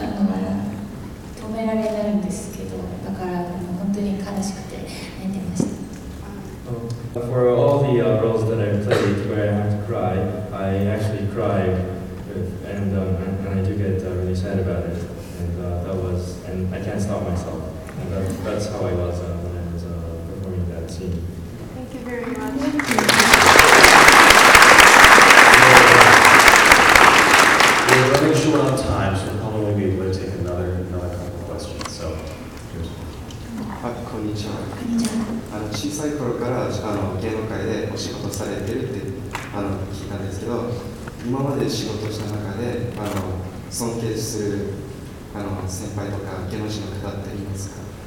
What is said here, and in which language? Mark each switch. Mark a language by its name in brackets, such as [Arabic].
[Japanese] 止められないんですけど、だから本当に悲しくて泣いてました。 [English] For all the roles that I played where I had to cry, I actually cried, and I do get really sad about it. And I can't stop myself. And that's how I was when I was performing that scene. Thank you very much. We're running short on time, so we'll probably be able to take another couple of questions. So, here's one. [Japanese] Konnichiwa. Konnichiwa. 小さい頃から芸能界でお仕事されてるって聞いたんですけど、今まで仕事した中で尊敬する先輩とか芸能人の方っていますか？